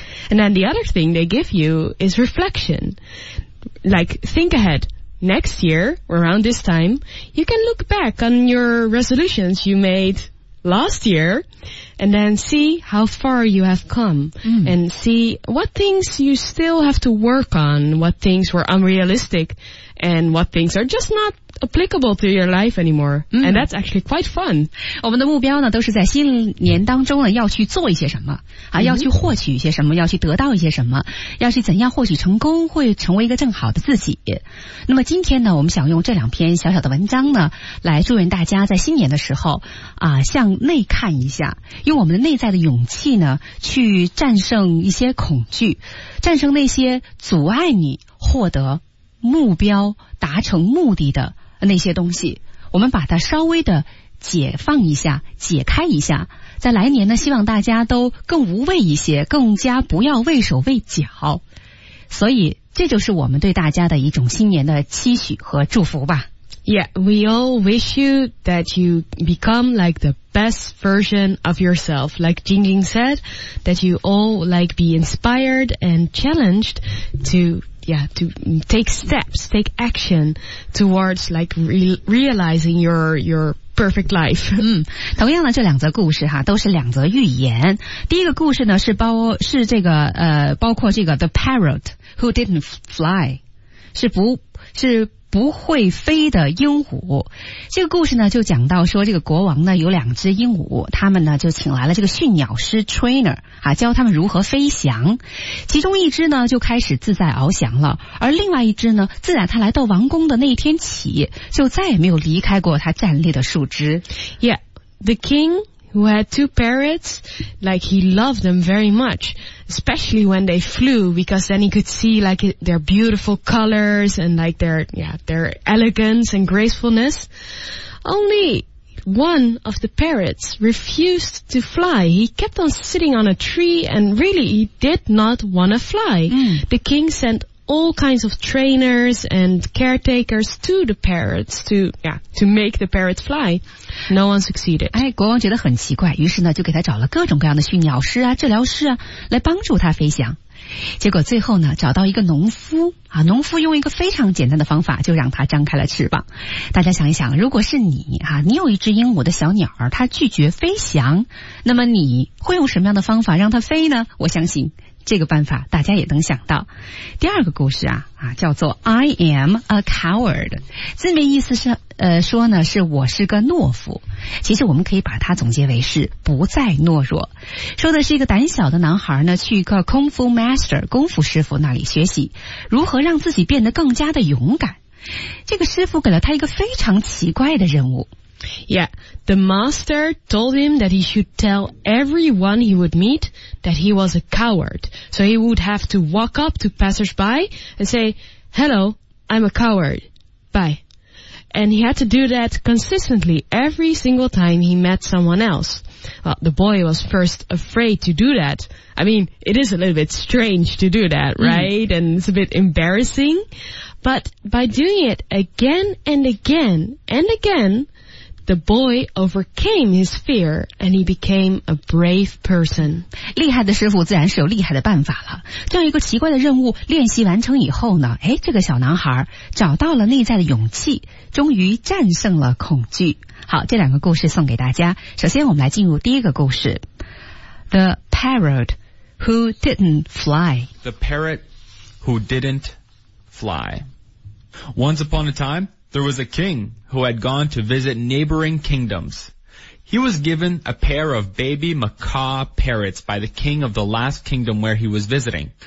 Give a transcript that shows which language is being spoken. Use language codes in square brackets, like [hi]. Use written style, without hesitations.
[en] And then the other thing they give you is reflection, like think aheadNext year, around this time, you can look back on your resolutions you made last year and then see how far you have come, and see what things you still have to work on, what things were unrealistic and what things are just notapplicable to your life anymore, and that's actually quite fun. [zh] 我们的目标呢都是在新年当中呢要去做一些什么啊，要去获取一些什么，要去得到一些什么，要去怎样获取成功，会成为一个更好的自己。那么今天呢我们想用这两篇小小的文章呢来祝愿大家在新年的时候向内看一下，用我们的内在的勇气呢去战胜一些恐惧，战胜那些阻碍你获得目标达成目的的那些东西，我们把它稍微的解放一下，解开一下，在来年呢希望大家都更无畏一些，更加不要畏手畏脚，所以这就是我们对大家的一种新年的期许和祝福吧。 [en] Yeah, we all wish you that you become like the best version of yourself, like Jingjing said, that you all like be inspired and challenged toYeah, to take steps, take action towards like realizing your perfect life. [zh] 同样的这两则故事哈，都是两则寓言。第一个故事呢，是包括这个 [en] the parrot who didn't fly, [zh] 是不会飞的鹦鹉。这个故事呢就讲到说，这个国王呢有两只鹦鹉，他们呢就请来了这个驯鸟师 trainer 啊，教他们如何飞翔。其中一只呢就开始自在翱翔了，而另外一只呢自然他来到王宫的那一天起就再也没有离开过他站立的树枝。 [en] Yeah, the king who had two parrots, like he loved them very much, especially when they flew, because then he could see like their beautiful colors and like their elegance and gracefulness. Only one of the parrots refused to fly. He kept on sitting on a tree and really he did not want to fly. The king sent all kinds of trainers and caretakers to the parrots to make the parrots fly. No one succeeded. [zh] 哎，国王觉得很奇怪，于是呢就给他找了各种各样的驯鸟师啊、治疗师啊来帮助他飞翔。结果最后呢找到一个农夫啊，农夫用一个非常简单的方法就让他张开了翅膀。大家想一想，如果是你啊，你有一只鹦鹉的小鸟儿，它拒绝飞翔，那么你会用什么样的方法让它飞呢？我相信这个办法大家也能想到。第二个故事叫做 [en] I am a coward, [zh] 字面意思是说呢是我是个懦夫，其实我们可以把它总结为是不再懦弱，说的是一个胆小的男孩呢去一个功夫 master 功夫师傅那里学习如何让自己变得更加的勇敢。这个师傅给了他一个非常奇怪的任务。 [en] Yeah, the master told him that he should tell everyone he would meet that he was a coward. So he would have to walk up to passersby and say, "Hello, I'm a coward. Bye." And he had to do that consistently every single time he met someone else. Well, the boy was first afraid to do that. I mean, it is a little bit strange to do that, right? Mm. And it's a bit embarrassing. But by doing it again and again and again, the boy overcame his fear and he became a brave person. [zh] 厉害的师傅自然是有厉害的办法了。这样一个奇怪的任务练习完成以后呢，诶，这个小男孩找到了内在的勇气，终于战胜了恐惧。好，这两个故事送给大家。首先我们来进入第一个故事。 [en] The parrot who didn't fly. The parrot who didn't fly. Once upon a time,There was a king who had gone to visit neighboring kingdoms. He was given a pair of baby macaw parrots by the king of the last kingdom where he was visiting.